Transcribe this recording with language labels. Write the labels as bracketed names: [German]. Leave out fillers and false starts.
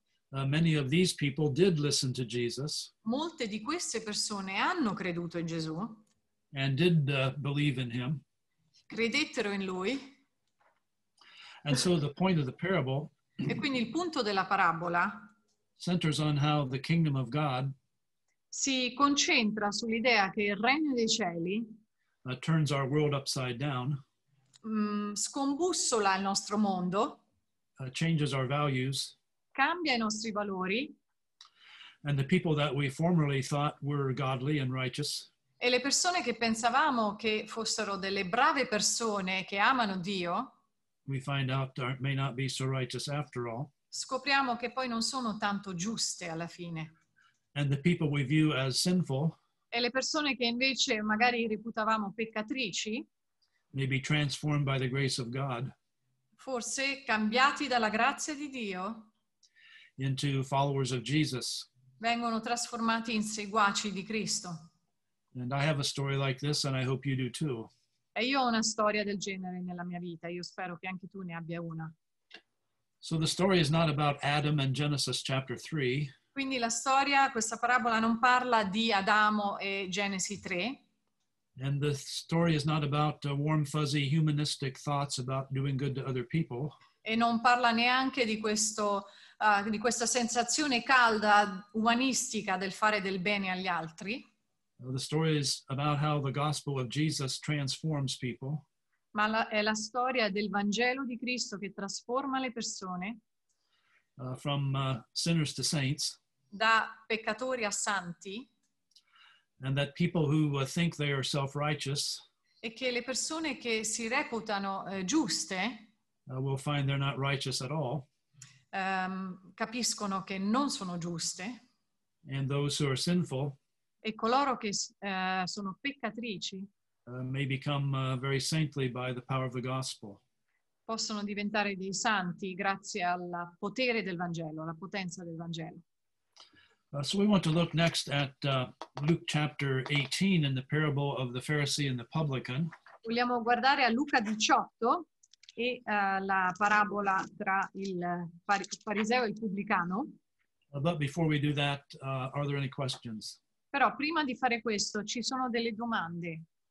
[English] Many of these people did listen to Jesus. [Italian] Molte di queste persone hanno creduto in Gesù. [English] And did believe in him. [Italian] Credettero in lui. [English] And so the point of the parable, [Italian] e quindi il punto della parabola, [English] centers on how the kingdom of God, [Italian] si concentra sull'idea che il regno dei cieli, [English] turns our world upside down, [Italian] scombussola il nostro mondo, [English] changes our values, [Italian] cambia i nostri valori, [English] and the people that we formerly thought were godly and righteous, [Italian] e le persone che pensavamo che fossero delle brave persone che amano Dio, [English] we find out may not be so righteous after all. [Italian] Scopriamo che poi non sono tanto giuste alla fine. [English] And the people we view as sinful, [Italian] e le persone che invece magari reputavamo peccatrici, [English] may be transformed by the grace of God, [Italian] forse cambiati dalla grazia di Dio, [English] into followers of Jesus, [Italian] vengono trasformati in seguaci di Cristo. [English] And I have a story like this, and I hope you do too. [Italian] E io ho una storia del genere nella mia vita. Io spero che anche tu ne abbia una. [English] So the story is not about Adam and Genesis chapter 3. [Italian] Quindi la storia, questa parabola, non parla di Adamo e Genesi 3. [English] And the story is not about warm, fuzzy, humanistic thoughts about doing good to other people. [Italian] E non parla neanche di questo di questa sensazione calda, umanistica del fare del bene agli altri. [English] The story is about how the gospel of Jesus transforms people. [Italian] Ma è la storia del Vangelo di Cristo che trasforma le persone. [English] From sinners to saints. [Italian] Da peccatori a santi. [English] And that people who think they are self-righteous. [Italian] E che le persone che si reputano giuste. [English] Will find they're not righteous at all. [Italian] Capiscono che non sono giuste. [English] And those who are sinful. [Italian] E coloro che sono peccatrici. [English] May become very saintly by the power of the gospel. [Italian] Possono diventare dei santi grazie al potere del Vangelo, alla potenza del Vangelo. [English] So we want to look next at Luke chapter 18 in the parable of the Pharisee and the publican. [Italian] Vogliamo guardare a Luca 18 e la parabola tra il fariseo e il pubblicano. [English] But before we do that, are there any questions? [Italian] Però prima di fare questo, ci sono delle domande.